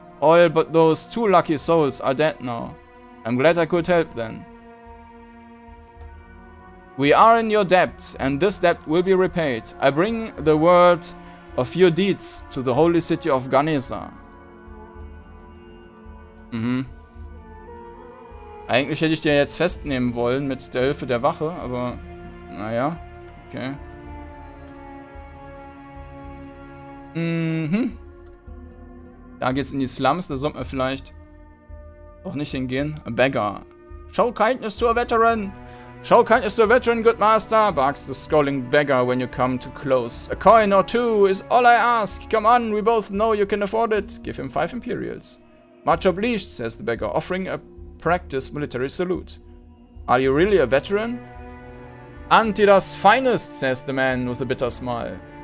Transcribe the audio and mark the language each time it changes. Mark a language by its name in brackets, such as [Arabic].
[English] All but those 2 lucky souls are dead now. I'm glad I could help then. We are in your debt, and this debt will be repaid. I bring the word of your deeds to the holy city of Ganesa. [German] Eigentlich hätte ich dir jetzt festnehmen wollen mit der Hilfe der Wache, aber naja, okay. Da geht's in die Slums, da sollten wir vielleicht auch nicht hingehen. [English] A beggar. Show kindness to a veteran! Show kindness to a veteran, good master! Barks the scowling beggar when you come too close. A coin or 2 is all I ask! Come on, we both know you can afford it! Give him 5 imperials. Much obliged, says the beggar, offering a practice military salute. Are you really a veteran? Antidas finest, says the man with a bitter smile.